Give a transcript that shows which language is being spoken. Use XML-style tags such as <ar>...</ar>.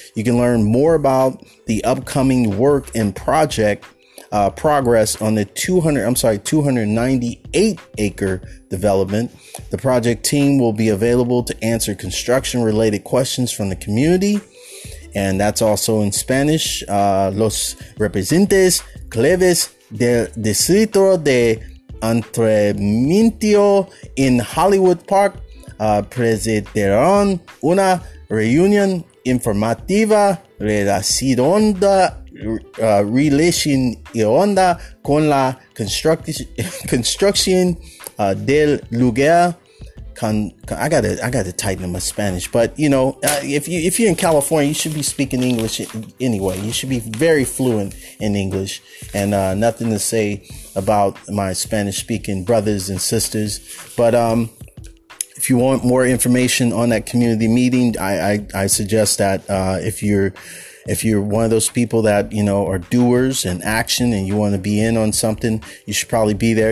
<en>You can learn more about the upcoming work and project progress on the 298-acre development. The project team will be available to answer construction-related questions from the community. And that's also in Spanish.</en> <es>Los representantes claves del Distrito de Entrenamiento in Hollywood Park presentaron una reunión informativa relacionada con la construcción del lugar.</es> <en>I got to tighten up my Spanish, but you know, if you're in California, you should be speaking English anyway. You should be very fluent in English, and nothing to say about my Spanish speaking brothers and sisters. But if you want more information on that community meeting, I suggest that if you're one of those people that, you know, are doers and action, and you want to be in on something, you should probably be there.</en>